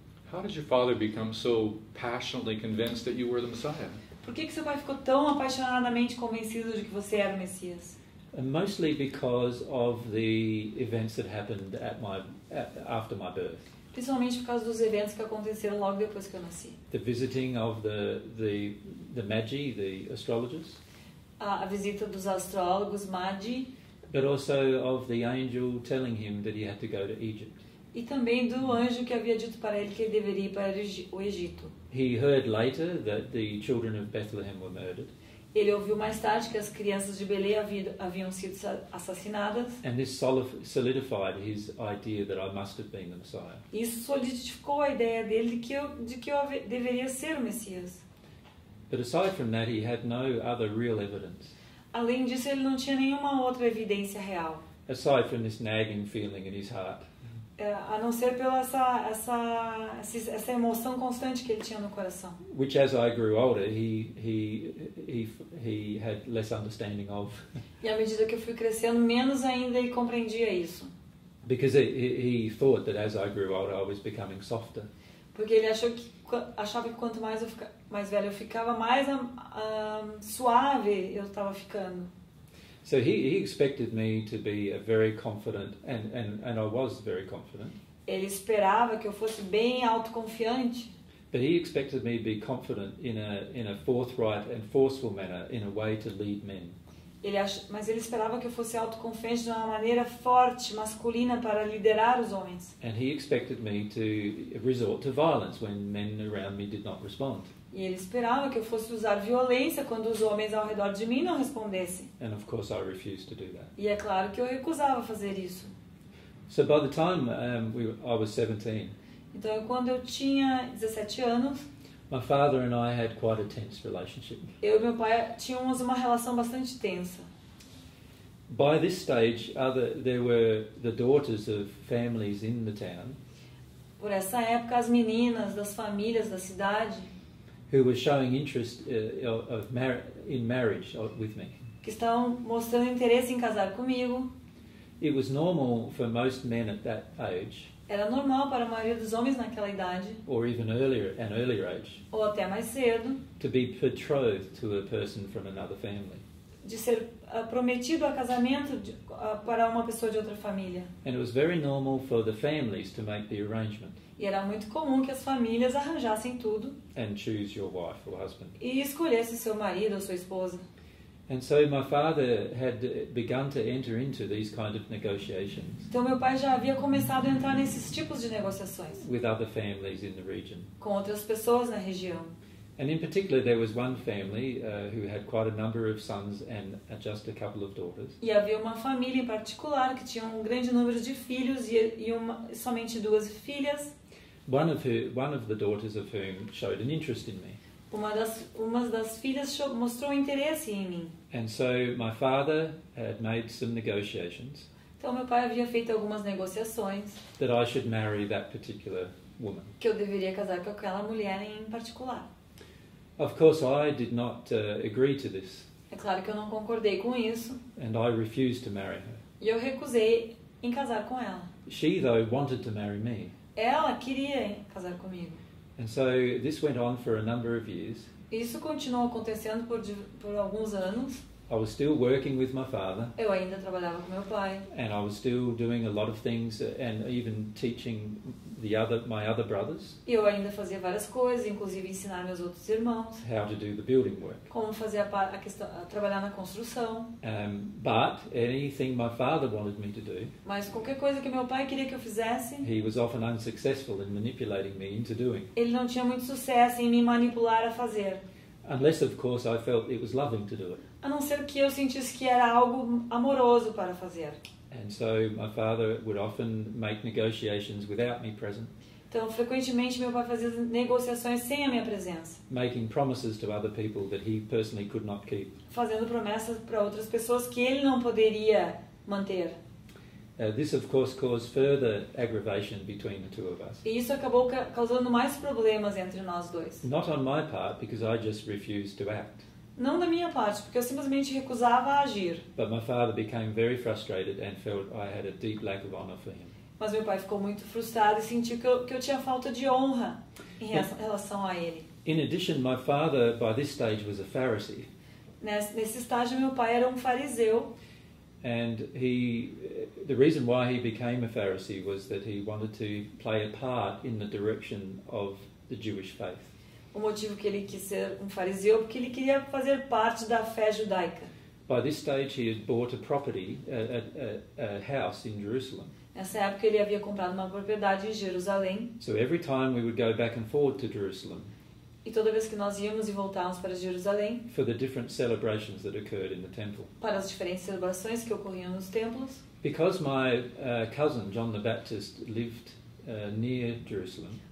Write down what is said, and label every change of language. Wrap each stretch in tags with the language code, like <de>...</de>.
<en>How did your father become so passionately convinced that you were the Messiah?</en> <pt>Por que seu pai ficou tão apaixonadamente convencido de que você era o Messias?</pt> <en>Mostly because of the events that happened after my birth.</en> <pt>Principalmente por causa dos eventos que aconteceram logo depois que eu nasci.</pt> <en>The visiting of the Magi, the astrologers.</en> <pt>A visita dos astrólogos Magi.</pt> <en>But also of the angel telling him that he had to go to Egypt.</en> <pt>E também do anjo que havia dito para ele que ele deveria ir para o Egito.</pt> <en>He heard later that the children of Bethlehem were murdered.</en> <pt>Ele ouviu mais tarde que as crianças de Belém haviam sido assassinadas.</pt> <en>And this solidified his idea that I must have been the Messiah.</en> <pt>Isso solidificou a ideia dele de que eu deveria ser o Messias.</pt> <en>But aside from that, he had no other real evidence.</en> <pt>Além disso, ele não tinha nenhuma outra evidência real.</pt> <en>Aside from this nagging feeling in his heart.</en> <pt>A não ser pela essa emoção constante que ele tinha no coração.</pt> <en>Which as I grew older, he had less understanding of.</en> <pt>E à medida que eu fui crescendo, menos ainda ele compreendia isso.</pt> <en>Because he thought that as I grew older, I was becoming softer.</en> <pt>Porque ele achava que quanto mais eu ficava mais velho eu ficava, mais suave eu estava ficando.</pt> <en>So he expected me to be a very confident and I was very confident.</en> <pt>Ele esperava que eu fosse bem autoconfiante.</pt> <en>But he expected me to be confident in a forthright and forceful manner in a way to lead men.</en> <pt>Mas ele esperava que eu fosse autoconfiante de uma maneira forte, masculina, para liderar os homens.</pt> <en>And he expected me to resort to violence when men around me did not respond.</en> <pt>E ele esperava que eu fosse usar violência quando os homens ao redor de mim não respondessem.</pt> <en>And of course I refused to do that.</en> <pt>E é claro que eu recusava fazer isso.</pt> <en>So by the time I was 17.</en> <pt>Então quando eu tinha 17 anos,</pt> <en>my father and I had quite a tense relationship.</en> <pt>Eu e meu pai tínhamos uma relação bastante tensa.</pt> <en>By this stage, there were the daughters of families in the town.</en> <pt>Por essa época, as meninas das famílias da cidade,</pt> <en>who were showing interest in marriage with me,</en> <pt>que estavam mostrando interesse em casar comigo.</pt> <en>It was normal for most men at that age.</en> <pt>Era normal para a maioria dos homens naquela idade.</pt> <en>Or even earlier, an earlier age.</en> <pt>Ou até mais cedo.</pt> <en>To be betrothed to a person from another family.</en> <pt>De ser prometido a casamento para uma pessoa de outra família.</pt> <en>And it was very normal for the families to make the arrangement.</en> <pt>E era muito comum que as famílias arranjassem tudo.</pt> <en>And choose your wife or husband.</en> <pt>E escolhesse seu marido ou sua esposa.</pt> <en>And so my father had begun to enter into these kind of negotiations.</en> <pt>Então meu pai já havia começado a entrar nesses tipos de negociações.</pt> <en>With other families in the region.</en> <pt>Com outras pessoas na região.</pt> <en>And in particular, there was one family who had quite a number of sons and just a couple of daughters.</en> <pt>E havia uma família em particular que tinha um grande número de filhos somente duas filhas.</pt> <en>One of the daughters of whom showed an interest in me.</en> <pt>Uma das filhas mostrou interesse em mim.</pt> <en>And so my father had made some negotiations.</en> <pt>Então meu pai havia feito algumas negociações.</pt> <en>That I should marry that particular woman.</en> <pt>Que eu deveria casar com aquela mulher em particular.</pt> <en>Of course, I did not agree to this.</en> <pt>É claro que eu não concordei com isso.</pt> <en>And I refused to marry her.</en> <pt>E eu recusei em casar com ela.</pt> <en>She though wanted to marry me.</en> <pt>Ela queria casar comigo.</pt> <en>And so this went on for a number of years.</en> <pt>Isso continuou acontecendo por alguns anos.</pt> <en>I was still working with my father.</en> <pt>Eu ainda trabalhava com meu pai.</pt> <en>And I was still doing a lot of things and even teaching my other brothers.</en> <pt>E eu ainda fazia várias coisas, inclusive ensinar meus outros irmãos.</pt> <en>How to do the building work.</en> <pt>Como fazer trabalhar na construção.</pt> <en>But anything my father wanted me to do.</en> <pt>Mas qualquer coisa que meu pai queria que eu fizesse.</pt> <en>He was often unsuccessful in manipulating me into doing.</en> <pt>Ele não tinha muito sucesso em me manipular a fazer.</pt> <en>Unless of course I felt it was loving to do it.</en> <pt>A não ser que eu sentisse que era algo amoroso para fazer.</pt> <en>And so my father would often make negotiations without me present.</en> <pt>Então frequentemente meu pai fazia negociações sem a minha presença.</pt> <en>Making promises to other people that he personally could not keep.</en> <pt>Fazendo promessas para outras pessoas que ele não poderia manter.</pt> <en>This of course caused further aggravation between the two of us.</en> <pt>E isso acabou causando mais problemas entre nós dois.</pt> <en>Not on my part because I just refused to act.</en> <pt>Não da minha parte, porque eu simplesmente recusava a agir.</pt> <en>But my father became very frustrated and felt I had a deep lack of honor for him.</en> <pt>Mas meu pai ficou muito frustrado e sentiu que eu tinha falta de honra em relação a ele.</pt> <en>In addition, my father by this stage was a Pharisee.</en> <pt>Nesse estágio meu pai era um fariseu.</pt> <en>And the reason why he became a Pharisee was that he wanted to play a part in the direction of the Jewish faith.</en> <pt>O motivo que ele quis ser um fariseu porque ele queria fazer parte da fé judaica.</pt> <en>By this stage, he had bought a property, a house in Jerusalem.</en> <pt>Nessa época ele havia comprado uma propriedade em Jerusalém.</pt> <en>So every time we would go back and forth to Jerusalem.</en> <pt>E toda vez que nós íamos e voltávamos para Jerusalém.</pt> <en>For the different celebrations that occurred in the temple.</en> <pt>Para as diferentes celebrações que ocorriam nos templos.</pt> <en>Because my cousin John the Baptist lived near Jerusalem.</en>